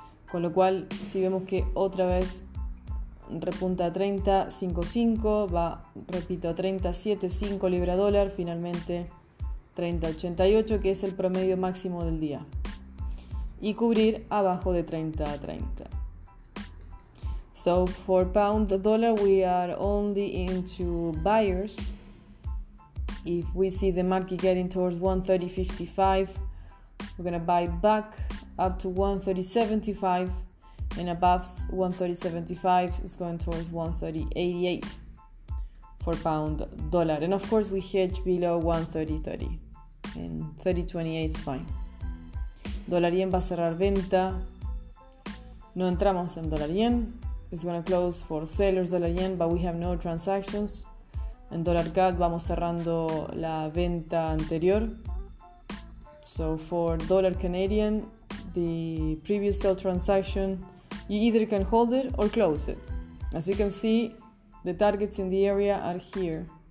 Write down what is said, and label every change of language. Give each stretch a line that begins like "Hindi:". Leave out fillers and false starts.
Spanish: Con lo cual, si vemos que otra vez repunta a 30.55, va, repito, a 30.75 Libra dólar, finalmente 30.88, que es el promedio máximo del día. Y cubrir abajo de 30.30.
English: So, for pound dollar, we are only into buyers. If we see the market getting towards 130.55, we're going to buy back up to 130.75, and above 130.75 is going towards 130.88 for pound dollar. And of course, we hedge below 130.30, and 30.28 is fine.
Spanish: Dólar yen va a cerrar venta. No entramos en dólar yen.
English: It's going to close for sellers dólar yen, but we have no transactions.
Spanish: En dólar CAD vamos cerrando la venta anterior.
English: So for dollar Canadian, the previous sell transaction, you either can hold it or close it. As you can see, the targets in the area are here.